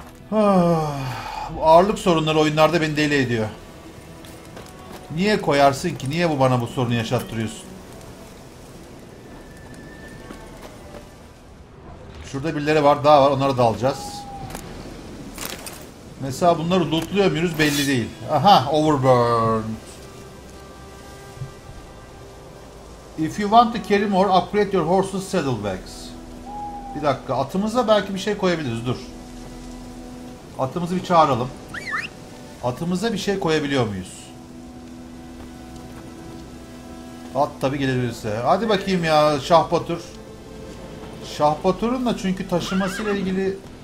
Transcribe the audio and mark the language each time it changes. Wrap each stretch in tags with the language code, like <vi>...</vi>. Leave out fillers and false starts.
<tr>Bu ağırlık sorunları oyunlarda beni deli ediyor. Niye koyarsın ki? Niye bu bana bu sorunu yaşattırıyorsun? Şurada birileri var, daha var. Onlara da alacağız. Mesela bunları lootluyor muyuz belli değil. Aha, overburn.</tr> <en>If you want to carry more, upgrade your horse's saddlebags.</en> <tr>Bir dakika, atımıza belki bir şey koyabiliriz, dur. Atımızı bir çağıralım. Atımıza bir şey koyabiliyor muyuz? At tabii gelebilirse. Hadi bakayım ya, Şah Batur. Şah Batur'un da çünkü taşımasıyla ilgili...</tr>